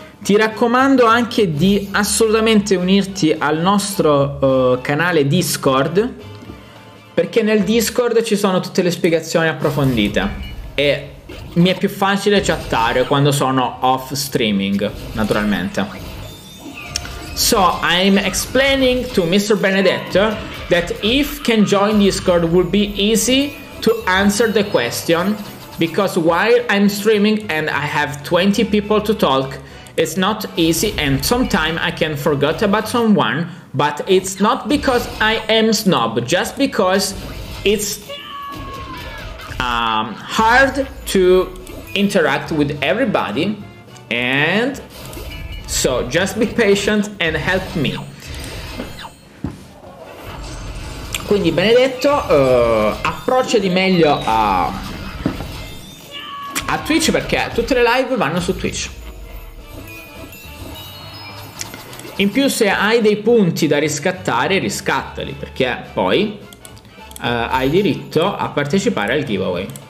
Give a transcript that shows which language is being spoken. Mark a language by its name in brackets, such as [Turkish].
[Italian] Ti raccomando anche di assolutamente unirti al nostro canale Discord, perché nel Discord ci sono tutte le spiegazioni approfondite e mi è più facile chattare quando sono off streaming, naturalmente. [English] So I'm explaining to Mr. Benedetto that if can join Discord will be easy to answer the question, because while I'm streaming and I have 20 people to talk, it's not easy and sometimes I can forget about someone, but it's not because I am snob, just because it's hard to interact with everybody. And so just be patient and help me. [Italian] Quindi Benedetto, approcciati meglio a Twitch, perché tutte le live vanno su Twitch. In più, se hai dei punti da riscattare, riscattali, perché poi hai diritto a partecipare al giveaway.